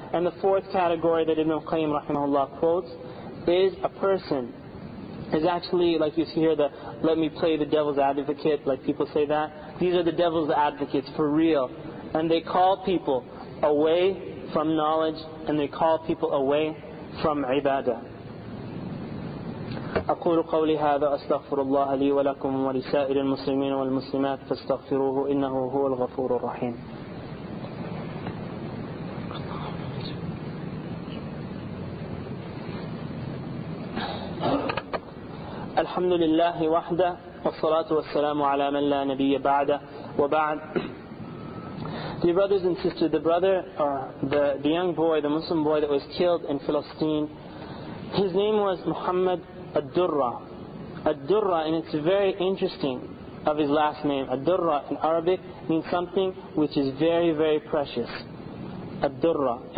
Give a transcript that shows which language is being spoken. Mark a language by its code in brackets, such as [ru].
[en] And the fourth category that Ibn Qayyim rahimahullah quotes is a person, is actually, like you see here, the let me play the devil's advocate, like people say that. These are the devil's advocates, for real. And they call people away from knowledge, and they call people away from ibadah. [ar] أقول قولي هذا أستغفر الله لي ولكم ولسائر المسلمين والمسلمات فاستغفروه إنه هو الغفور الرحيم. الحمد لله وحده والصلاة والسلام على من لا نبي بعده وبعد. [en] Dear brothers and sisters, the brother, the young boy, the Muslim boy that was killed in Palestine, his name was Muhammad Ad-Durra. Ad-Durra, and it's very interesting of his last name. Ad-Durra in Arabic means something which is very, very precious. Ad-Durra.